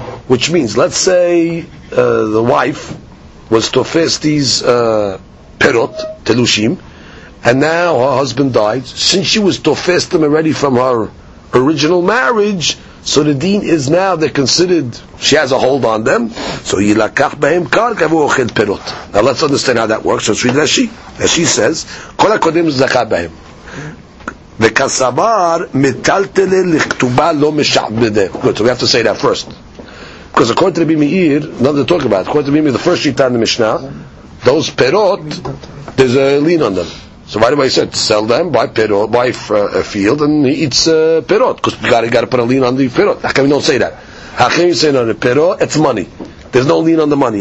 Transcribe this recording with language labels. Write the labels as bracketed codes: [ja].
[en] Which means, let's say the wife was to face these perot, telushim, and now her husband died. Since she was to face them already from her original marriage, so the deen is now, they're considered, she has a hold on them. So, [he] yilakach behem karka v'ochel perot. [en] Now let's understand how that works. Let's read Rashi. Rashi says, [he] kol hakodem zakha behem. [arc] וכסבר מטלטלה לכתובה לא משעבדה. [en] Good, so we have to say that first. Because according to Rabbi Meir, nothing to talk about. According to Rabbi Meir, the first shita in the Mishnah, those perot, there's a lien on them. So why do I say, sell them, buy perot, buy a field, and he eats perot. Because you gotta put a lien on the perot. How can we not say that? How can you say no, the perot, it's money. There's no lien on the money.